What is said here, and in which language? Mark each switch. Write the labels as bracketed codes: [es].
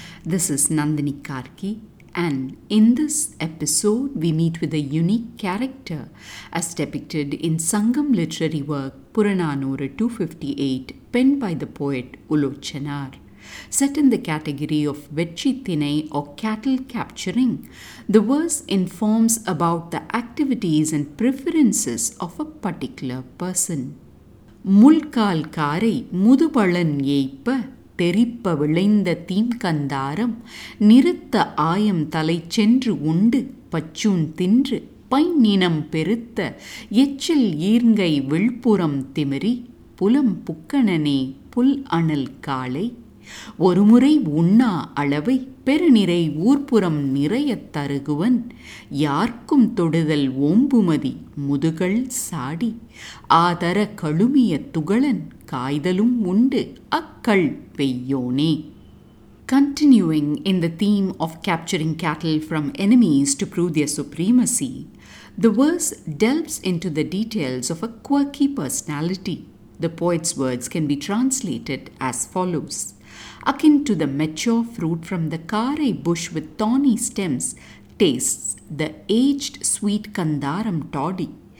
[en] This is Nandini Karki, and in this episode we meet with a unique character as depicted in Sangam literary work Puranaanooru 258, penned by the poet Ulochanaar. Set in the category of Vetchi Thinai or cattle capturing, the verse informs about the activities and preferences of a particular person. [ta] முல்கால் காரை முதுபழன் ஏய்ப்ப தெரிப்ப விளைந்த தீம்கந்தாரம் நிறுத்த ஆயம் தலை சென்று உண்டு பச்சூன் தின்று பைநினம் பெருத்த எச்சில் ஈர்ங்கை விழ்புறம் திமிரி புலம் புக்கணனே புல் அணல் காளை ஒருமுறை உண்ணா அளவை பெருநிறை ஊர்புறம் நிறைய தருகுவன் யார்க்கும் தொடுதல் ஓம்புமதி முதுகள் சாடி ஆதர கழுமிய துகளன் காய்தலும் உண்டு அக்கள் பெய்யோனே. [en] Continuing in the theme of capturing cattle from enemies to prove their supremacy, the verse delves into the details of a quirky personality. The poet's words can be translated as follows. Akin to the mature fruit from the kare bush with thorny stems, tastes the aged sweet kandaram toddy.